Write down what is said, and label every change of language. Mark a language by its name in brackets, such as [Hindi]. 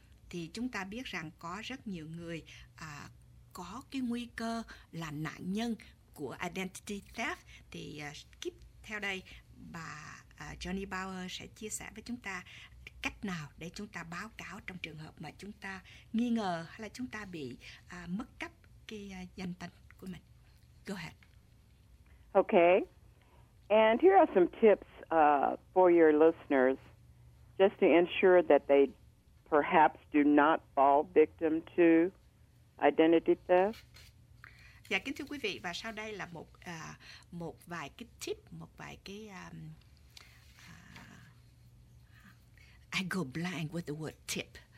[Vietnamese] Thì chúng ta biết rằng có rất nhiều người có cái nguy cơ là nạn nhân của identity theft. Thì tiếp theo đây bà Johnny Bauer sẽ chia sẻ với chúng ta cách nào để chúng ta báo cáo trong trường hợp mà chúng ta nghi ngờ hay là chúng ta bị mất cắp cái danh tính của mình. [English] Go ahead. Okay. And here are some tips for your listeners just to ensure that they perhaps do not fall victim to identity theft. [Vietnamese] Dạ, kính thưa quý vị, và sau đây là một một vài cái tip, một vài cái [English] I go blank with the word tip.